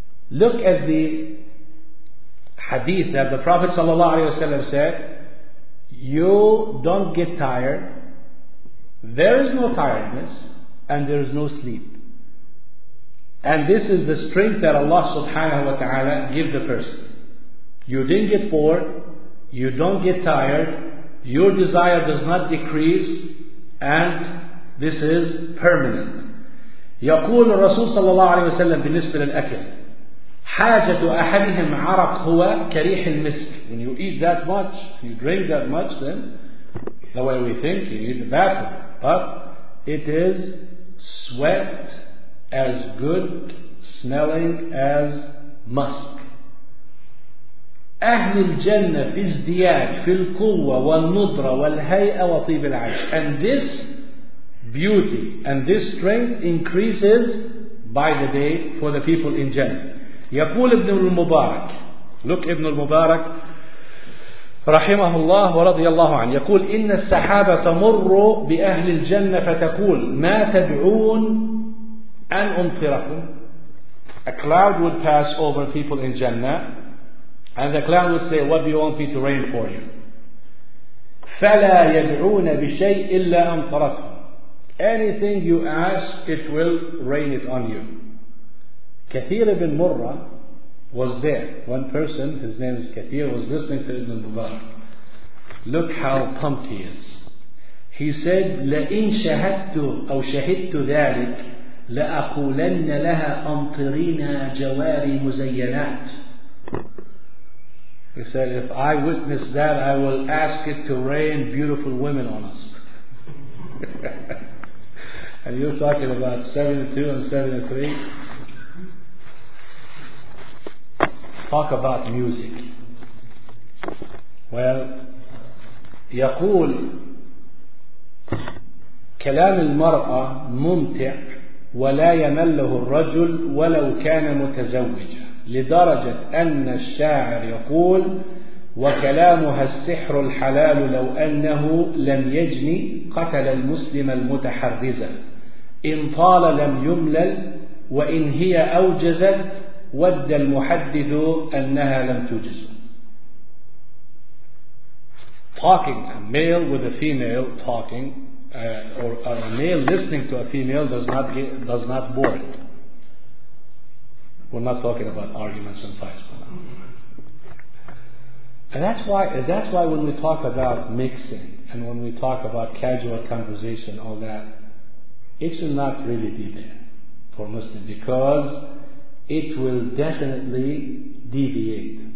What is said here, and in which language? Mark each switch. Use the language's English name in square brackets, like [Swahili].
[English] Look at the hadith that the Prophet sallallahu alaihi wasallam said, you don't get tired, there is no tiredness, and there is no sleep. And this is the strength that Allah subhanahu wa ta'ala give the person. You didn't get bored, you don't get tired, your desire does not decrease, and this is permanent. [Arabic] يقول الرسول صلى الله عليه وسلم بالنسبة للأكل حاجة أحدهم عرق هو كريح المسك. [English] When you eat that much, you drink that much, then the way we think, you need the bathroom. But it is sweat as good smelling as musk. [Arabic] أهل الجنة في ازدياج في القوة والنضرة والهيئة وطيب العيش. [English] And this beauty and this strength increases by the day for the people in Jannah. [Arabic] يقول ابن المبارك, [English] look [Arabic] ابن المبارك رحمه الله ورضي الله عنه, يقول إن السحابة تمر بأهل الجنة فتقول ما تدعون أن أنطركم. [English] A cloud would pass over people in Jannah and the cloud would say, what do you want me to rain for you? [Arabic] فلا يدعون بشيء إلا أمطرتهم. [English] anything you ask, it will rain it on you. Kathir ibn Murrah was there. One person, his name is Kathir, was listening to Ibn Mubarak. Look how pumped he is. He said, [Arabic] لَإِن شَهَدْتُ أَوْ شَهِدْتُ ذَلِكَ لَأَقُولَنَّ لَهَا أَمْطِرِينَا جَوَارِ مُزَيَّنَاتٍ. [English] He said, if I witness that, I will ask it to rain beautiful women on us. And you're talking about 72 and 73. Talk about music. Well, [Arabic] يقول كلام المرأة ممتع ولا يمله الرجل ولو كان متزوجا لدرجة أن الشاعر يقول وكلامها السحر الحلال لو أنه لم يجني قتل المسلم المتحرزا إن طال لم يملل وإن هي أوجزت ود المحدث أنها لم تجز. [English] Talking, a male with a female talking, or a male listening to a female does not bore it. We're not talking about arguments and fights. And that's why when we talk about mixing and when we talk about casual conversation, all that, it should not really be there for Muslims, because it will definitely deviate.